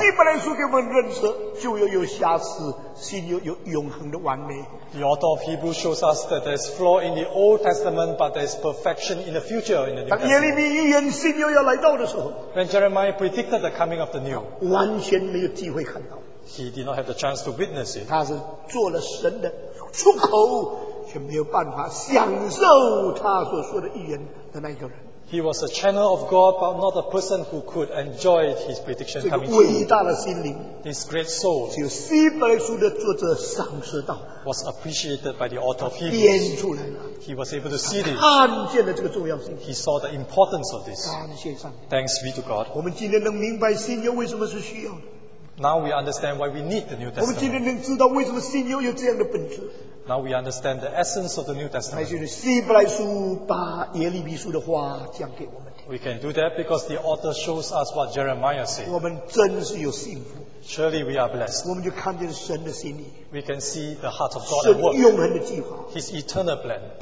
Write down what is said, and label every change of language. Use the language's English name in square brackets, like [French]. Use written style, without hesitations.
[English] The author of Hebrews shows us that there is flaw in the Old Testament, but there is perfection in the future in the New Testament. When Jeremiah predicted the coming of the New, he did not have the chance to witness it. [Chinese] 他是做了神的出口，却没有办法享受他所说的预言的那个人。 [English] He was a channel of God, but not a person who could enjoy his prediction coming true. [Chinese] 这个伟大的心灵, [English] this great soul, [Chinese] 只有希伯来书的作者赏识到, [English] was appreciated by the author of Hebrews. [Chinese] 编出来了, [English] he was able to see this. [Chinese] 看见了这个重要性, [English] he saw the importance of this. [Chinese] 感谢上帝, [English] thanks be to God. [Chinese] 我们今天能明白信仰为什么是需要的。 [English] Now we understand why we need the New Testament. Now we understand the essence of the New Testament. We can do that because the author shows us what Jeremiah said. Surely we are blessed. We can see the heart of God at work. His eternal plan.